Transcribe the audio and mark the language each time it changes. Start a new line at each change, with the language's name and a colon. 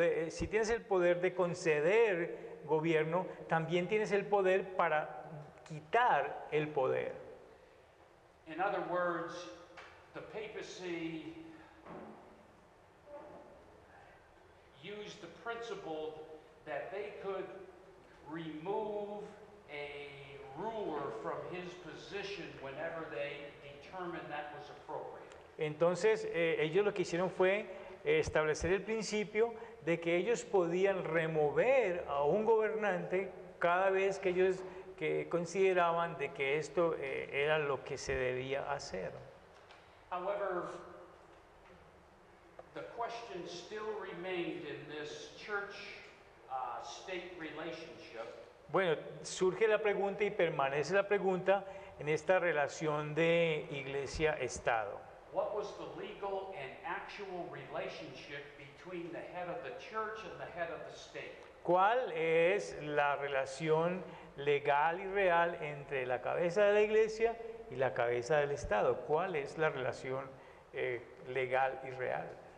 Spanish: Si tienes el poder de conceder gobierno, también tienes el poder para quitar el poder.
English: In other words, the papacy used the principle that they could remove a ruler from his position whenever they determined that was appropriate.
Spanish: Entonces, ellos lo que hicieron fue establecer el principio de que ellos podían remover a un gobernante cada vez que ellos que consideraban de que esto era lo que se debía hacer.
English: However, the question still remained in this church-state relationship.
Spanish: Bueno, surge la pregunta y permanece la pregunta en esta relación de iglesia-estado.
English: What was the legal and actual relationship between the head of the church and the head of the state?
Spanish: ¿Cuál es la relación legal y real entre la cabeza de la iglesia y la cabeza del Estado? ¿Cuál es la relación legal y real?